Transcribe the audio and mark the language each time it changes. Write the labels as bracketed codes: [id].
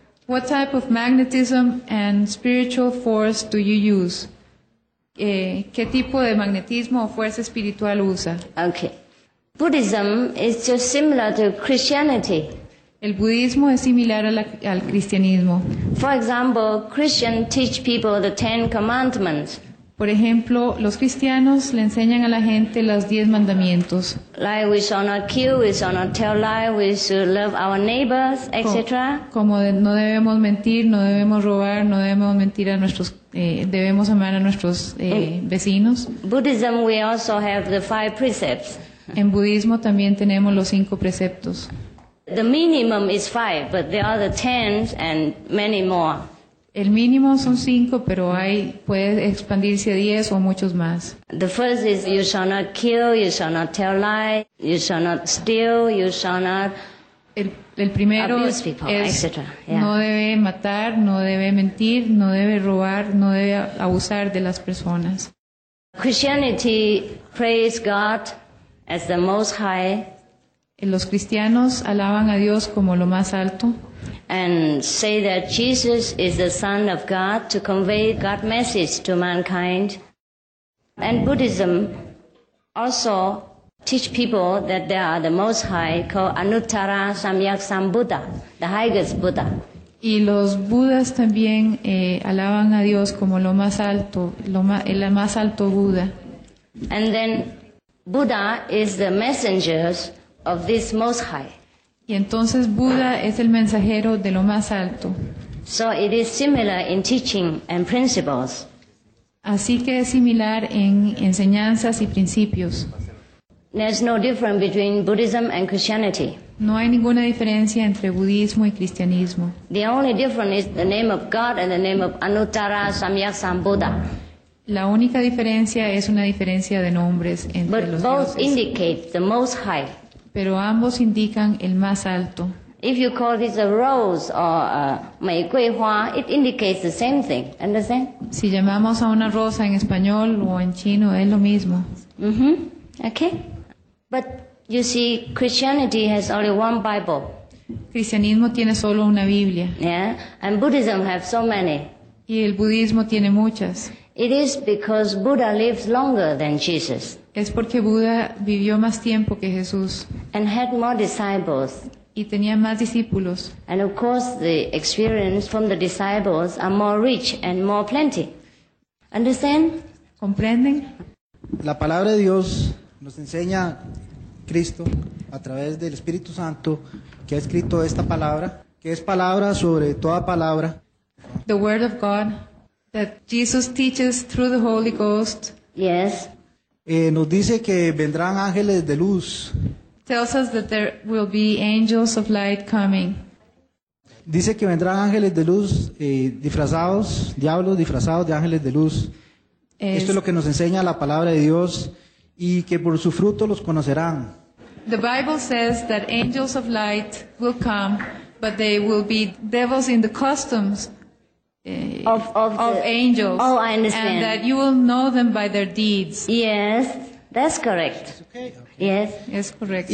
[en] What type of magnetism and spiritual force do you use? [es] ¿Qué tipo de magnetismo o fuerza espiritual usa? [en] Okay. Buddhism is just similar to Christianity. [es] El budismo es similar al cristianismo. [en] For example, Christians teach people the Ten Commandments. [es] Por ejemplo, los cristianos le enseñan a la gente los 10 mandamientos. [en] Like we shall not kill, we shall not tell lies, we should love our neighbors, etc. [es] Como no debemos mentir, no debemos robar, no debemos mentir a nuestros, debemos amar a nuestros vecinos. [en] Buddhism, we also have the 5 precepts. [es] En budismo también tenemos los 5 preceptos. [en] The minimum is 5, but there are the 10s and many more. [es] El mínimo son 5, pero hay puede expandirse a 10 o muchos más. [en] The first is you shall not kill, you shall not tell lies, you shall not steal, you shall not [es] el primero [en] abuse people, [es] es [en] etc. [es] No debe matar, no debe mentir, no debe robar, no debe abusar de las personas. [en] Christianity praise God as the most high. [es] Los cristianos alaban a Dios como lo más alto. [en] And say that Jesus is the Son of God to convey God's message to mankind. And Buddhism also teach people that there are the Most High called Anuttara Samyaksam Buddha, the highest Buddha. [es] Y los budas también alaban a Dios como lo más alto, el más alto Buda. [en] And then Buddha is the messengers of this Most High. [es] Y entonces Buda es el mensajero de lo más alto. [en] So it is similar in teaching and principles. [es] Así que es similar en enseñanzas y principios. [en] There's no difference between Buddhism and Christianity. [es] No hay ninguna diferencia entre budismo y cristianismo. [en] The only difference is the name of God and the name of Anuttara Samyaksam Buddha. [es] La única diferencia es una diferencia de nombres entre [en] But [es] los [en] both [es] dioses. [en] Indicate the most high. [es] Pero ambos indican el más alto. [en] If you call this a rose or a maiguihua, it indicates the same thing. Understand? [es] Si llamamos a una rosa en español o en chino, es lo mismo. [en] Mm-hmm. Okay. But you see, Christianity has only one Bible. [es] Cristianismo tiene solo una Biblia. [en] Yeah. And Buddhism has so many. [es] Y el budismo tiene muchas. [en] It is because Buddha lives longer than Jesus. [es] Es porque Buda vivió más tiempo que Jesús. [en] And had more disciples. [es] Y tenía más discípulos. [en] And of course the experience from the disciples are more rich and more plenty. Understand? [es] ¿Comprenden? La palabra de Dios nos enseña Cristo a través del Espíritu Santo que ha escrito esta palabra, que es palabra sobre toda palabra. [en] The word of God that Jesus teaches through the Holy Ghost. Yes. [es] Nos dice que vendrán ángeles de luz. [en] Tells us that there will be angels of light coming. [es] Dice que vendrán ángeles de luz disfrazados, diablos disfrazados de ángeles de luz. Esto es lo que nos enseña la palabra de Dios y que por su fruto los conocerán. [en] The Bible says that angels of light will come, but they will be devils in the costumes of the angels. Oh, I understand. And that you will know them by their deeds. Yes, that's correct. It's okay. Yes, [es] es correcto.